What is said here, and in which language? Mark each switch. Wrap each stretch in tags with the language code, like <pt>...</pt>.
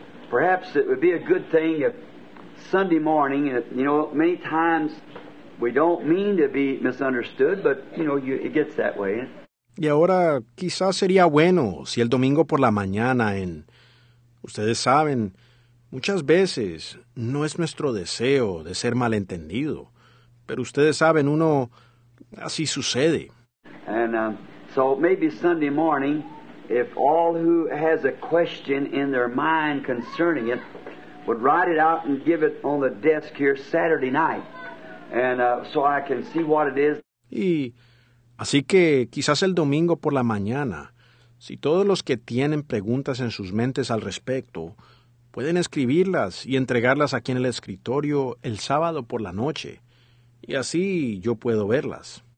<en>Perhaps it would be a good thing if Sunday morning, you know, many times we don't mean to be misunderstood, but you know, it gets that way.</en> <es>Y ahora quizás sería bueno si el domingo por la mañana en, ustedes saben, muchas veces no es nuestro deseo de ser malentendido, pero ustedes saben, uno, así sucede.</es> <en>And so maybe Sunday morning, if all who has a question in their mind concerning it would write it out and give it on the desk here Saturday night, and so I can see what it is.</en> <es>Y así que quizás el domingo por la mañana, si todos los que tienen preguntas en sus mentes al respecto pueden escribirlas y entregarlas aquí en el escritorio el sábado por la noche, y así yo puedo verlas.</es>